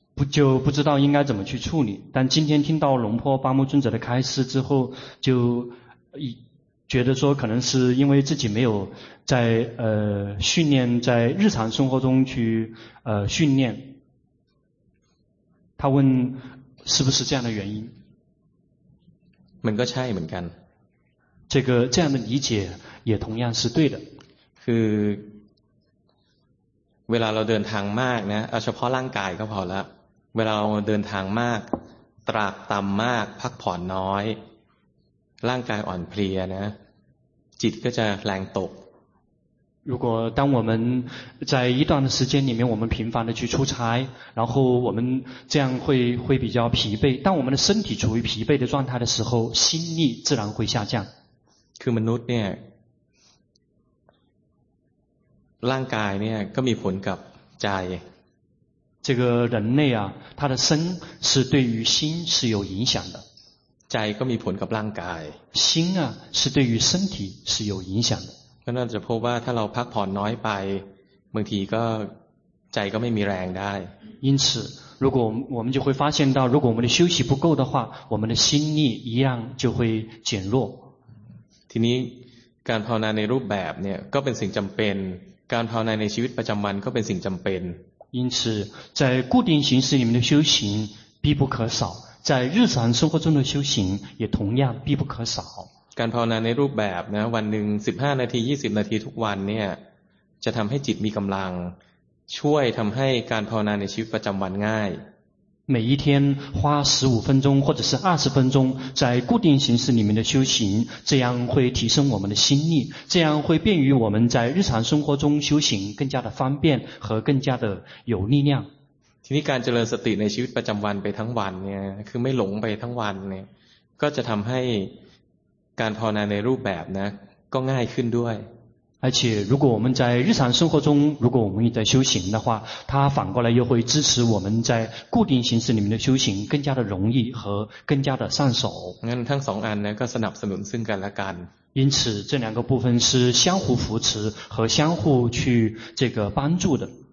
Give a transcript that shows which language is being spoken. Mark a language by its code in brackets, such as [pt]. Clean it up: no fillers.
[zh] 就不知道应该怎么去处理但今天听到龙坡巴木尊者的开示之后就觉得说可能是因为自己没有在训练在日常生活中去训练他问是不是这样的原因 [th] มันก็ใช่เหมือนกัน [zh] 这个这样的理解也同样是对的 [th] คือเวลาเราเดินทางมากนะเฉพาะร่างกายก็พอแล้วเวลาเราเดินทางมากตรากตรำมากพักผ่อนน้อยร่างกายอ่อนเพลียนะจิตก็จะแรงตก [zh] 如果当我们在一段的时间里面，我们频繁的去出差，然后我们这样会比较疲惫。当我们的身体处于疲惫的状态的时候，心力自然会下降。 [th] คือมนุษย์เนี่ยร่างกายเนี่ยก็มีผลกับใจ [zh] 这个人类啊，他的身是对于心是有影响的。 [th] ใจก็มีผลกับร่างกาย [zh] 心啊是对于身体是有影响的。 [th] ก็น่าจะพบว่าถ้าเราพักผ่อนน้อยไปบางทีก็ใจก็ไม่มีแรงได้ [zh] 因此如果我们就会发现到如果我们的休息不够的话我们的心力一样就会减弱 [th] ทีนี้การภาวนาในรูปแบบเนี่ยก็เป็นสิ่งจำเป็นการภาวนาในชีวิตประจำวันก็เป็นสิ่งจำเป็น [zh] 因此在固定形式里面的修行必不可少在日常生活中的修行也同样必不可少 [th] การภาวนาในรูปแบบนะวันหนึ่ง15นาที20นาทีทุกวันเนี่ยจะทำให้จิตมีกำลังช่วยทำให้การภาวนาในชีวิตประจำวันง่าย [zh] 每一天花15分钟或者是20分钟在固定形式里面的修行这样会提升我们的心力这样会便于我们在日常生活中修行更加的方便和更加的有力量 [th] ทีนี้การเจริญสติในชีวิตประจำวันไปทั้งวันเนี่ยคือไม่หลงไปทั้งวันเนี่ยก็จะทำให้การภาวนาในรูปแบบนะก็ง่ายขึ้นด้วย [zh] 而且如果我们在日常生活中如果我们在修行的话它反过来又会支持我们在固定形式里面的修行更加的容易和更加的上手 [th] งั้นทั้งสองอันนะก็สนับสนุนซึ่งกันและกัน [zh] 因此这两个部分是相互扶持和相互去这个帮助的